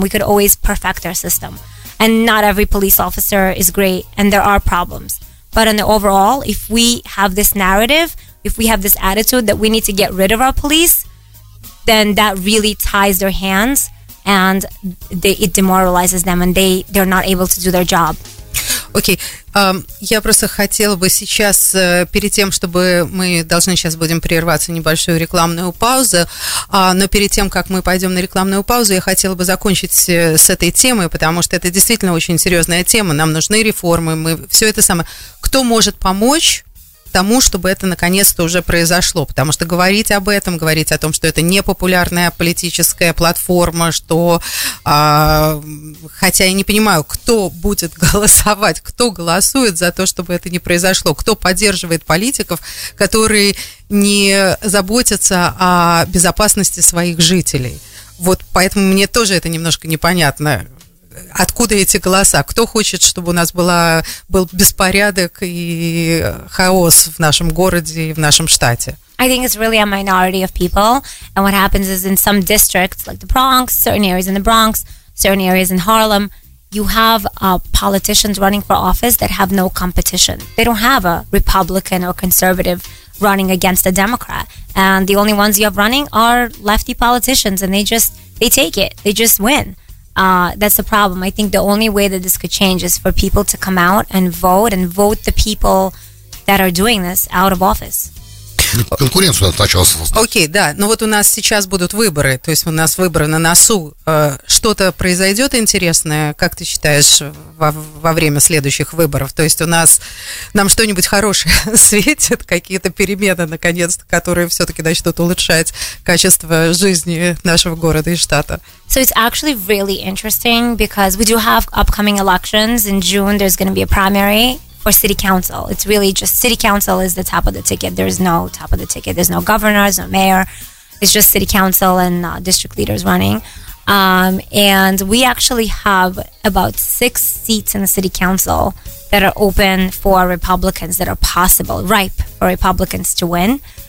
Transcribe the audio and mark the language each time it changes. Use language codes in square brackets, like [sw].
[en] We could always perfect our system. And not every police officer is great, and there are problems. But in the overall, if we have this narrative, if we have this attitude that we need to get rid of our police, then that really ties their hands. And it demoralizes them, and they're not able to do their job. [ru] Окей, я просто хотела бы сейчас, перед тем, чтобы мы должны сейчас будем прерваться небольшую рекламную паузу, но перед тем, как мы пойдем на рекламную паузу, я хотела бы закончить с этой темой, потому что это действительно очень серьезная тема, нам нужны реформы, мы все это самое. Кто может помочь тому, чтобы это наконец-то уже произошло, потому что говорить об этом, говорить о том, что это непопулярная политическая платформа, что, хотя я не понимаю, кто будет голосовать, кто голосует за то, чтобы это не произошло, кто поддерживает политиков, которые не заботятся о безопасности своих жителей. Вот поэтому мне тоже это немножко непонятно. Откуда эти голоса? Кто хочет, чтобы у нас был беспорядок и хаос в нашем городе и в нашем штате? [en] I think it's really a minority of people. And what happens is in some districts, like the Bronx, certain areas in the Bronx, certain areas in Harlem, you have politicians running for office that have no competition. They don't have a Republican or conservative running against a Democrat. And the only ones you have running are lefty politicians, and they take it. They just win. That's the problem. I think the only way that this could change is for people to come out and vote the people that are doing this out of office. [ru] Конкуренцию надо сначала создать. Окей, да. Но вот у нас сейчас будут выборы, то есть у нас выборы на носу. Что-то произойдет интересное, как ты считаешь, во время следующих выборов? То есть у нас, нам что-нибудь хорошее светит, какие-то перемены, наконец-то, которые все-таки начнут улучшать качество жизни нашего города и штата? [en] So it's actually really interesting because we do have upcoming elections. In June there's going to be a primary for city council. It's really just city council is the top of the ticket. There's no top of the ticket. There's no governor, there's no mayor. It's just city council and district leaders running. And we actually have about 6 seats in the city council that are open for Republicans that are possible, ripe for Republicans to win.